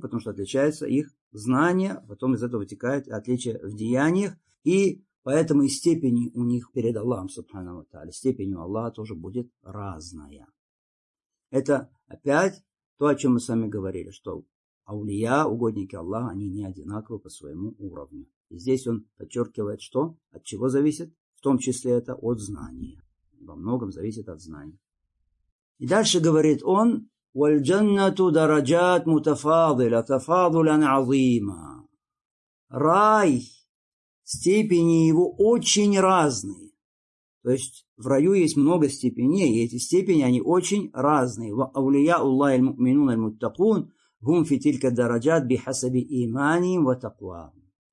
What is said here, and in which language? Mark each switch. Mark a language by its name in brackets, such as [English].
[Russian] Потому что отличаются их знания, потом из этого вытекает отличие в деяниях, и поэтому и степени у них перед Аллахом Субхану ва Тааля, степень у Аллаха тоже будет разная. Это опять то, о чем мы с вами говорили, что аулия, угодники Аллаха, они не одинаковы по своему уровню. И здесь он подчеркивает, что от чего зависит, в том числе это от знания. Во многом зависит от знания. И дальше говорит он: [Arabic] وَالْجَنَّةُ دَرَجَاتْ مُتَفَاضِلَ تَفَاضُلًا عَظِيمًا. [Russian] Рай, степени его очень разные. То есть в раю есть много степеней, и эти степени, они очень разные. [Arabic] وَأَوْلِيَاءُ اللَّهِ الْمُؤْمِنُونَ الْمُتَّقُونَ هُمْ فِي تِلْكَ دَرَجَاتْ بِحَسَبِ إِيمَانِهِمْ وَتَقْوَاهُمْ.